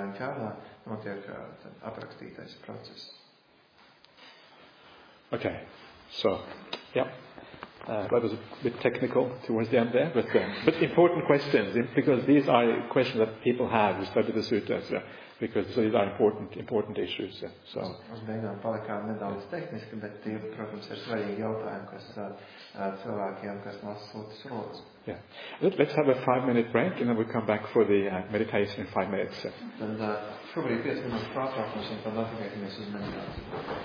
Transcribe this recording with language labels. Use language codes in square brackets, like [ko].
[lv] Ķēdā, notiek aprakstītais process. [en] Okay, so, yeah. That was a bit technical towards the end there, but important questions, because these are questions that people have who study the suttas, yeah, because so these are important issues. Yeah, so. [lv] Uz beigām palikām nedaudz tehniski, bet tie, protams, ir svarīgi jautājumi, kas cilvēkiem, kas mās sūtas rodas. [en] Yeah. Let's have a 5-minute break, and then we'll come back for the meditation in 5 minutes. [lv] Tad šobrīd 5 minūtes pārtraukums, un tad atgriezīsimies uz meditāciju.